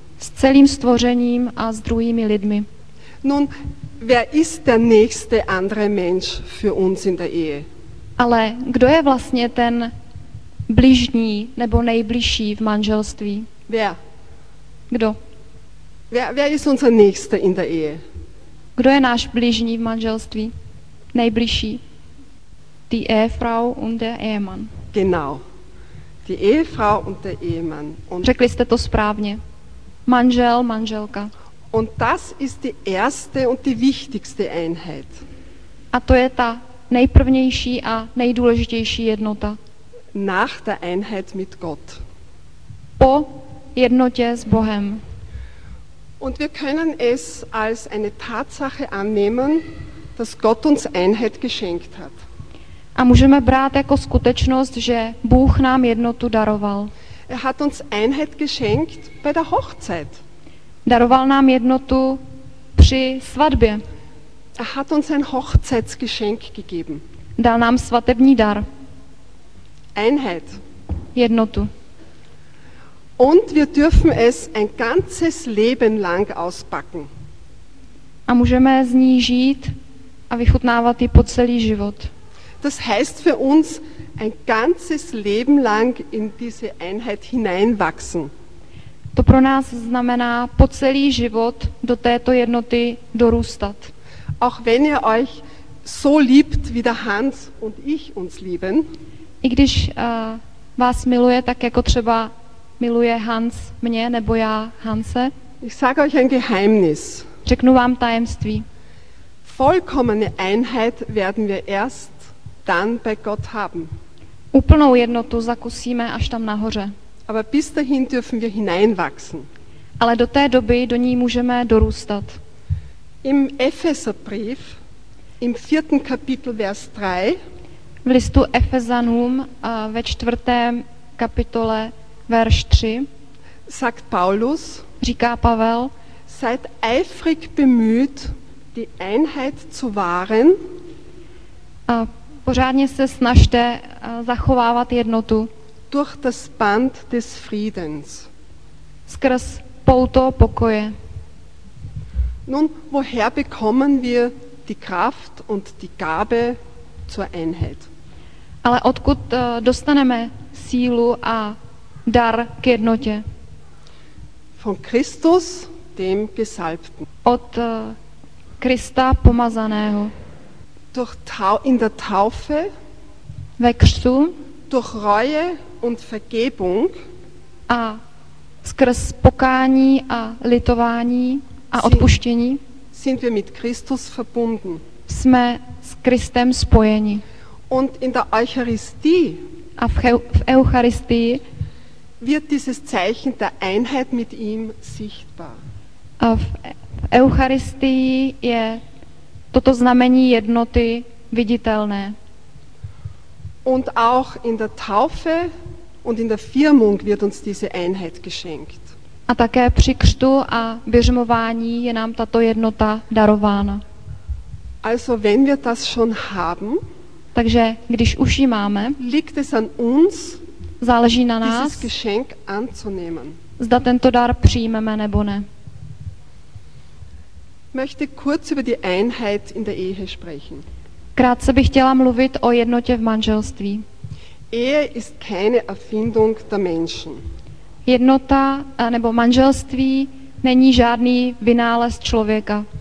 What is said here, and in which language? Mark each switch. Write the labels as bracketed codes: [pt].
[cs] S celým stvořením a s druhými lidmi. [de] Nun, wer ist der nächste andere Mensch für uns in der Ehe? [cs] Ale kdo je vlastně ten bližní nebo nejbližší v manželství? [de] Wer? [cs] Kdo? [de] Wer ist unser nächster in der Ehe? [cs] Kdo je náš bližní v manželství? Nejbližší? [de] Die Ehefrau und der Ehemann. Genau. Die Ehefrau und der Ehemann. Und [cs] řekli jste to správně. Manžel, manželka. [de] Und das ist die erste und die wichtigste Einheit. [cs] A to je ta nejprvnější a nejdůležitější jednota. [de] Nach der Einheit mit Gott. [cs] Po jednotě s Bohem. [de] Und wir können es als eine Tatsache annehmen, dass Gott uns Einheit geschenkt hat. [cs] A můžeme brát jako skutečnost, že Bůh nám jednotu daroval. [de] Er hat uns Einheit geschenkt bei der Hochzeit. [cs] Daroval nám jednotu při svatbě. [de] Er hat uns ein Hochzeitsgeschenk gegeben. [cs] Dal nám svatební dar. [de] Einheit. [cs] Jednotu. [de] Und wir dürfen es ein ganzes Leben lang auspacken. [cs] A můžeme z ní žít a vychutnávat ji po celý život. [de] Das heißt für uns ein ganzes Leben lang in diese Einheit hineinwachsen. [cs] To pro nás znamená po celý život do této jednoty dorůstat. [de] Auch wenn ihr euch so liebt, wie der Hans und ich uns lieben. [cs] I když vás miluje, tak jako třeba miluje Hans mě, nebo já Hanse. [de] Ich sage euch ein Geheimnis. [cs] Řeknu vám tajemství. [de] Vollkommene Einheit werden wir erst dann bei Gott haben. [cs] Úplnou jednotu zakusíme až tam nahoře. [de] Aber bis dahin dürfen wir hineinwachsen. [cs] Ale do té doby do ní můžeme dorůstat. [de] Im Epheserbrief, im 4. Kapitel, Vers 3, [cs] v listu Efezanům, ve 4. kapitole, Verš 3, [de] sagt Paulus, [cs] říká Pavel, [de] seid eifrig bemüht, die Einheit zu wahren, [cs] a pořádně se snažte zachovávat jednotu, [de] durch das Band des Friedens, [cs] skrz pouto pokoje. [de] Nun, woher bekommen wir die Kraft und die Gabe zur Einheit? [cs] Ale odkud dostaneme sílu a dar k jednotě? [de] Von Christus, dem Gesalbten. [cs] Od Krista pomazaného. [de] Durch in der Taufe. [cs] Ve křtu. [de] Durch Reue und Vergebung. [cs] A skrz pokání a litování a odpuštění. [de] Sind wir mit Christus verbunden. [cs] Jsme s Kristem spojeni. [de] Und in der Eucharistie. [cs] A v Eucharistii [de] wird dieses Zeichen der Einheit mit ihm sichtbar. [cs] A v Eucharistii je toto znamení jednoty viditelné. [de] Und auch in der Taufe und in der Firmung wird uns diese Einheit geschenkt. [cs] A také při křtu a běžmování je nám tato jednota darována. [de] Also, wenn wir das schon haben, [cs] takže když už ji máme, [de] liegt es an uns, [cs] záleží na nás, [de] dieses Geschenk anzunehmen. [cs] Zda tento dar přijmeme nebo ne. [de] Möchte kurz über die Einheit in der Ehe sprechen. [cs] Krátce bych chtěla mluvit o jednotě v manželství. [de] Ehe ist keine Erfindung der Menschen. [cs] Jednota nebo manželství není žádný vynález člověka.